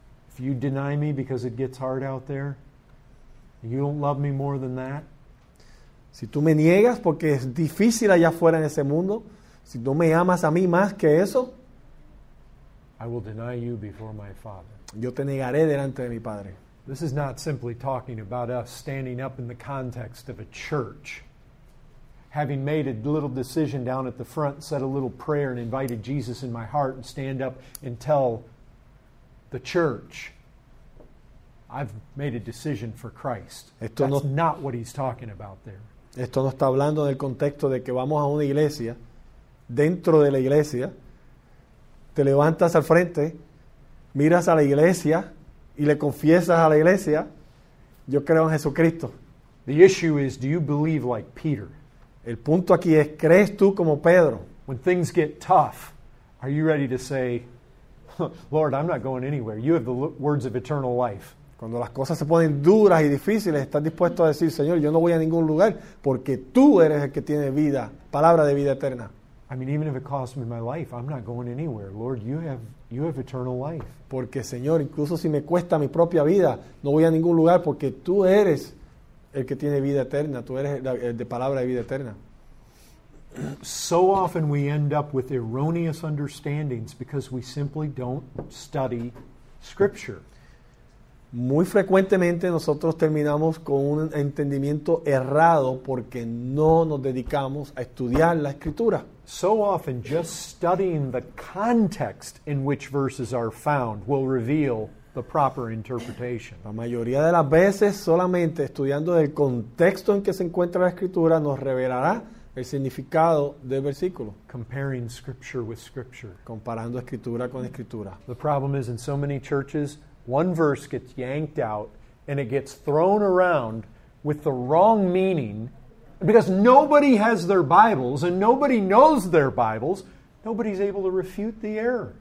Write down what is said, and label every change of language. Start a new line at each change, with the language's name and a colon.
English: if you deny me because it gets hard out there, you don't love me more than that.
Spanish: Si tú me niegas porque es difícil allá afuera en ese mundo, si no me amas a mí más que eso,
English: I will deny you before my Father.
Spanish: Yo te negaré delante de mi Padre.
English: This is not simply talking about us standing up in the context of a church, having made a little decision down at the front, said a little prayer and invited Jesus in my heart and stand up and tell the church, I've made a decision for Christ.
Spanish: Esto
English: That's
Spanish: no,
English: not what he's talking about there.
Spanish: Esto no está hablando en el contexto de que vamos a una iglesia, dentro de la iglesia, te levantas al frente, miras a la iglesia y le confiesas a la iglesia, yo creo en Jesucristo.
English: The issue is, do you believe like Peter?
Spanish: El punto aquí es, ¿crees tú como Pedro?
English: When things get tough, are you ready to say, Lord, I'm not going anywhere. You have the words of eternal life.
Spanish: Cuando las cosas se ponen duras y difíciles, estás dispuesto a decir, Señor, yo no voy a ningún lugar porque tú eres el que tiene vida, palabra de vida eterna.
English: I mean, even if it costs me my life, I'm not going anywhere. Lord, you have eternal life.
Spanish: Porque, Señor, incluso si me cuesta mi propia vida, no voy a ningún lugar porque tú eres el que tiene vida eterna. Tú eres el de palabra de vida eterna.
English: So often we end up with erroneous understandings because we simply don't study Scripture.
Spanish: Muy frecuentemente nosotros terminamos con un entendimiento errado porque no nos dedicamos a estudiar la Escritura.
English: So often, just studying the context in which verses are found will reveal the proper interpretation.
Spanish: La mayoría de las veces, solamente estudiando el contexto en que se encuentra la Escritura, nos revelará el significado del versículo.
English: Comparing Scripture with Scripture.
Spanish: Comparando Escritura con Escritura.
English: The problem is, in so many churches, one verse gets yanked out and it gets thrown around with the wrong meaning. Because nobody has their Bibles and nobody knows their Bibles, nobody's able to refute the error.